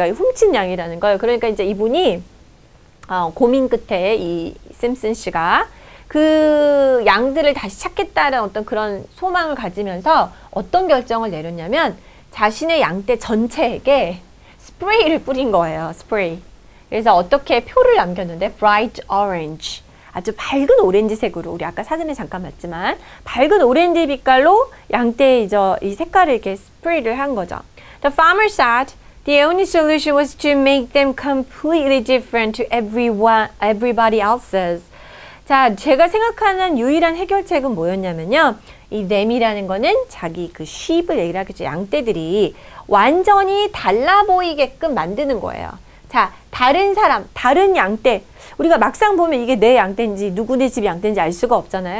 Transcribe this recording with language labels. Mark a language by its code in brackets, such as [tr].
[ko] 내가 훔친 양이라는 거예요. 그러니까 이제 이분이 고민 끝에 이 심슨 씨가 그 양들을 다시 찾겠다는 어떤 그런 소망을 가지면서 어떤 결정을 내렸냐면 자신의 양떼 전체에게 스프레이를 뿌린 거예요, 스프레이. 그래서 어떻게 표를 남겼는데, [en] bright orange. [ko] 아주 밝은 오렌지색으로, 우리 아까 사진에 잠깐 봤지만, 밝은 오렌지 빛깔로 양떼의 이 색깔을 이렇게 스프레이를 한 거죠. [en] The farmer said, the only solution was to make them completely different to everyone, everybody else's. [ko] 자, 제가 생각하는 유일한 해결책은 뭐였냐면요. 이 them이라는 거는 자기 그 sheep을 얘기를 하겠죠. 양떼들이 완전히 달라 보이게끔 만드는 거예요. 자, 다른 사람, 다른 양떼. 우리가 막상 보면 이게 내 양떼인지 누구네 집 양떼인지 알 수가 없잖아요.